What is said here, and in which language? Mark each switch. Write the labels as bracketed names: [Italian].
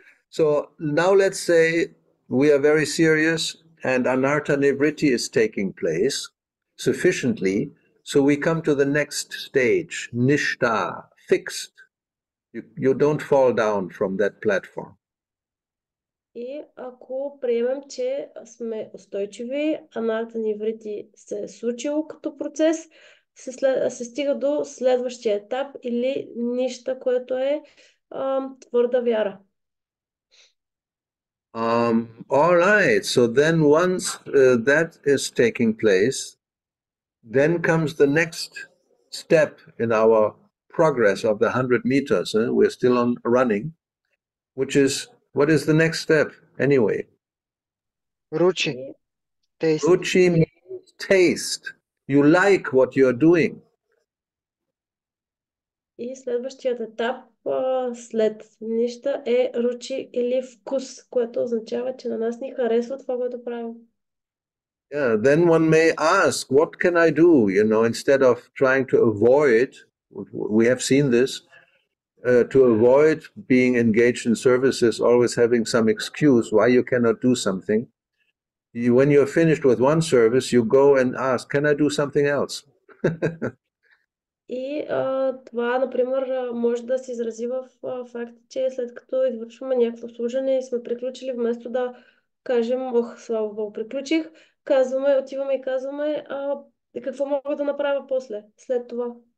[English] So now let's say we are very serious and anartha nivritti is taking place sufficiently, so we come to the next stage, nishta, fixed. You don't fall down from that platform. [Bulgarian] И ако приемем, че сме устойчиви, анартха нивритти се е случило като процес, се стига до следващия етап или ништа, което е твърда вяра. [English] All right, so then once that is taking place, then comes the next step in our progress of the 100 meters, eh? We're still on running, which is, what is the next step anyway? Ruchi. Taste. Ruchi means taste. You like what you're doing. [Bulgarian] И следващият етап след нищо е ручи или вкус, което означава, че на нас ни харесва това, което правим. [English] Yeah, then one may ask, what can I do? You know, instead of trying to avoid, we have seen this, to avoid being engaged in services, always having some excuse why you cannot do something. When you're finished with one service, you go and ask, can I do something else? [Bulgarian] И това, например, може да се изрази в факта, че след като извършваме някакво служене и сме приключили, вместо да кажем, ох, слава Богу, приключих, казваме, отиваме и казваме, какво мога да направя после, след това.